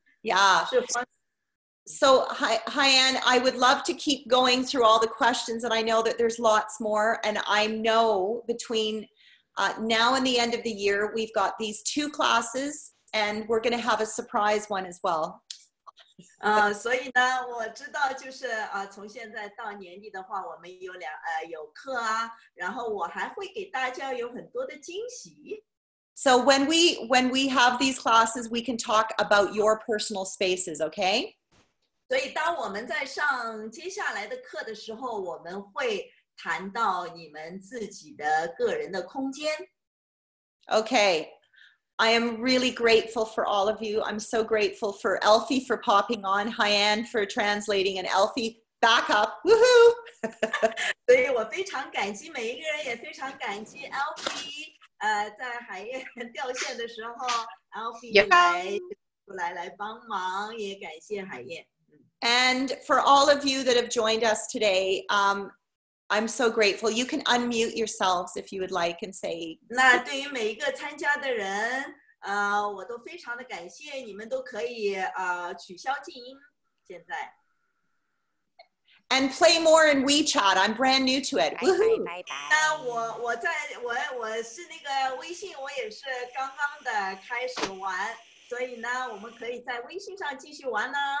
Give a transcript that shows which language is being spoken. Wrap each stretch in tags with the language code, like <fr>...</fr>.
<en>Yeah.</en> <zh>是欢。</zh> <en>So, Hyann, I would love to keep going through all the questions, and I know that there's lots more, and I know between now and the end of the year, we've got these two classes, and we're going to have a surprise one as well.</en> <zh>So, 呢，我知道就是从现在到年底的话，我们有两有课啊，然后我还会给大家有很多的惊喜。</zh> <en>So when we have these classes, we can talk about your personal spaces, okay?</en> <zh>所以当我们在上接下来的课的时候，我们会谈到你们自己的个人的空间。</zh> <en>Okay, I am really grateful for all of you. I'm so grateful for Elfie for popping on, Hyann for translating, and Elfie back up. Woohoo!</en> <zh>所以我非常感激每一个人，也非常感激 Elfie。在海燕掉线的时候 ，Elfie 来帮忙，也感谢海燕。</zh> <en>And for all of you that have joined us today, I'm so grateful. You can unmute yourselves if you would like and say.</en> <zh>那对于每一个参加的人，我都非常的感谢，你们都可以取消静音，现在。</zh> <en>And play more in WeChat. I'm brand new to it. Woohoo!</en> <zh>那我在我是那个微信，我也是刚刚的开始玩，所以呢，我们可以在微信上继续玩呢。</zh>